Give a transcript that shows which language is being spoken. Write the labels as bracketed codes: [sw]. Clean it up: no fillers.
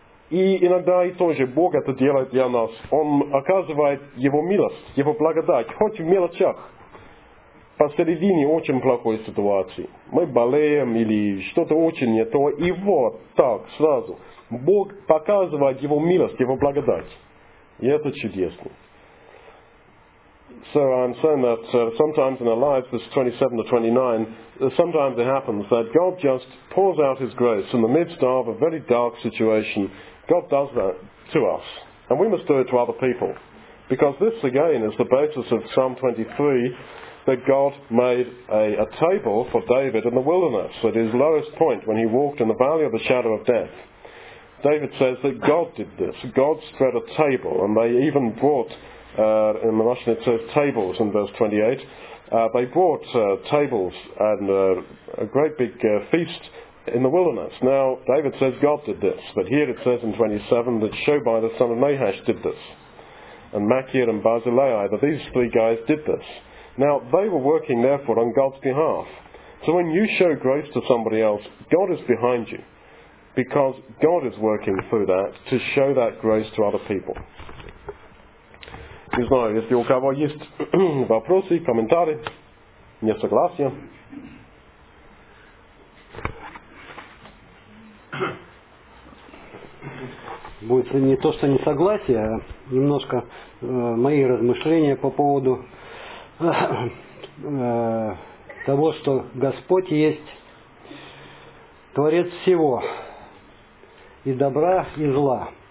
[ru] И иногда и тоже Бог это делает для нас. Он оказывает его милость, его благодать, хоть в мелочах. Посередине очень плохой ситуации. Мы болеем или что-то очень не то. И вот так сразу Бог показывает его милость, его благодать. И это чудесно. [en] So I'm saying that sometimes in our lives, this 27 to 29, sometimes it happens that God just pours out his grace in the midst of a very dark situation. God does that to us. And we must do it to other people. Because this again is the basis of Psalm 23, that God made a table for David in the wilderness at his lowest point when he walked in the valley of the shadow of death. David says that God did this. God spread a table, and they even brought in the Russian it says tables in verse 28. They brought tables and a great big feast in the wilderness. Now, David says God did this, but here it says in 27 that Shobai the son of Nahash did this. And Machir and Barzillai, that these three guys did this. Now, they were working therefore on God's behalf. So when you show grace to somebody else, God is behind you. Because God is working through that to show that grace to other people. [ru] Не знаю, если у кого есть вопросы, комментарии, несогласия. Будет не то, что несогласие, а немножко мои размышления по поводу того, что Господь есть Творец всего, и добра, и зла.